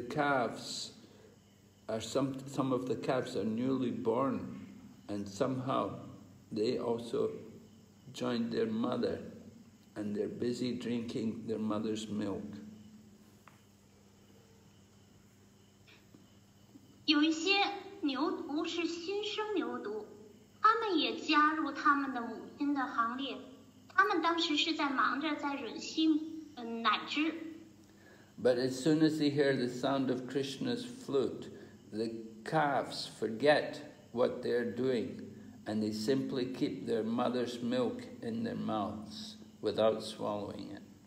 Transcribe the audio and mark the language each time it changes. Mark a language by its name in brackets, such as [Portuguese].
[English] calves are some of the calves are newly born, And somehow they also joined their mother and they're busy drinking their mother's milk. [Chinese] 有一些牛犊是新生牛犊，他们也加入他们的母亲的行列。他们当时是在忙着在吮吸奶汁。 [English] But as soon as they hear the sound of Krishna's flute, the calves forget what they're doing, and they simply keep their mother's milk in their mouths without swallowing it.